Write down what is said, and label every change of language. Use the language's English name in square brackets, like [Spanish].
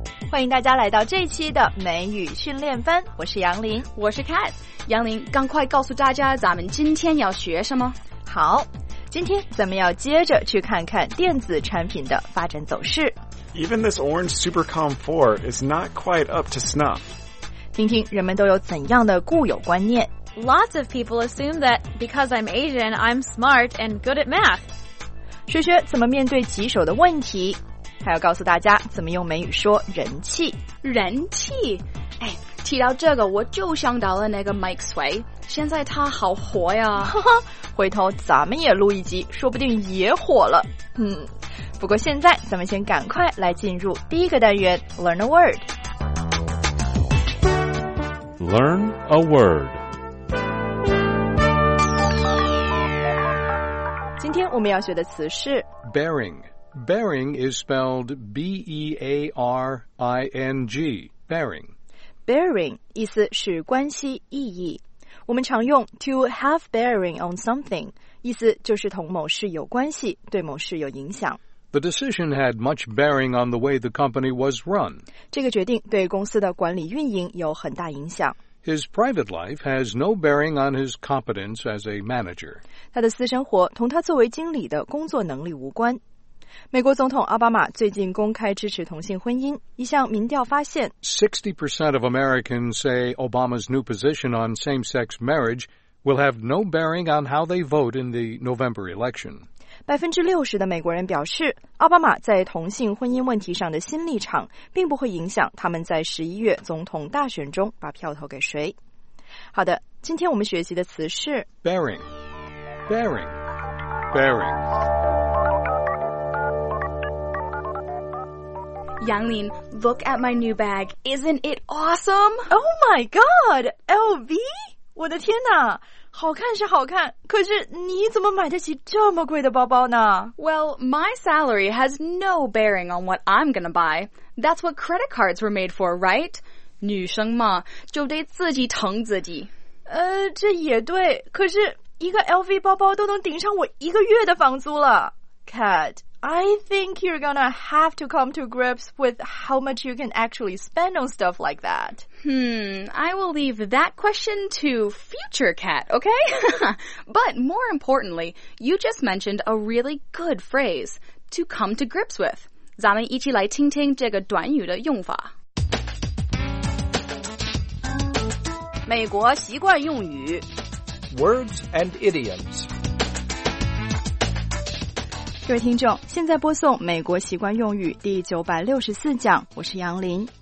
[Chinese] 欢迎大家来到这一期的美语训练班，我是杨林，我是 Cat。杨林，赶快告诉大家咱们今天要学什么。好，今天咱们要接着去看看电子产品的发展走势。 [English] Even this orange Supercom 4 is not quite up to snuff. [Chinese] 听听人们都有怎样的固有观念。 [English] Lots of people assume that because I'm Asian, I'm smart and good at math. [Chinese] 学学怎么面对棘手的问题，还要告诉大家怎么用美语说人气。人气？哎，提到这个我就想到了那个 Mike Sway， 现在他好火呀。回头咱们也录一集，说不定也火了。不过现在咱们先赶快来进入第一个单元 Learn a Word。 [English] Learn a Word。 [Chinese] 今天我们要学的词是 [English] Bearing。 Bearing is spelled B-E-A-R-I-N-G。 Bearing。 [Chinese] Bearing 意思是关系意义，我们常用 [English] to have bearing on something， [Chinese] 意思就是同某事有关系，对某事有影响。 [English] The decision had much bearing on the way the company was run. [Chinese] 这个决定对公司的管理运营有很大影响。 [English] His private life has no bearing on his competence as a manager. [Chinese] 他的私生活同他作为经理的工作能力无关。美国总统奥巴马最近公开支持同性婚姻，一项民调发现 [English] 60% of Americans say Obama's new position on same-sex marriage will have no bearing on how they vote in the November election. [Chinese] 60% 的美国人表示，奥巴马在同性婚姻问题上的新立场并不会影响他们在11月总统大选中把票投给谁。好的，今天我们学习的词是 [English] bearing, bearing, bearing。 Yanglin, look at my new bag. Isn't it awesome? Oh my god, LV? [Chinese] 我的天哪，好看是好看，可是你怎么买得起这么贵的包包呢？ [English] Well, my salary has no bearing on what I'm gonna buy. That's what credit cards were made for, right? [Chinese] 女生嘛，就得自己疼自己。这也对，可是一个 LV 包包都能顶上我一个月的房租了。 [English] Cat,I think you're gonna have to come to grips with how much you can actually spend on stuff like that. I will leave that question to future Cat, okay? But more importantly, you just mentioned a really good phrase, to come to grips with. [Chinese] 咱们一起来听听这个短语的用法。美国习惯用语。 [English] Words and idioms. [Chinese] 各位听众，现在播送美国习惯用语第964讲，我是杨林。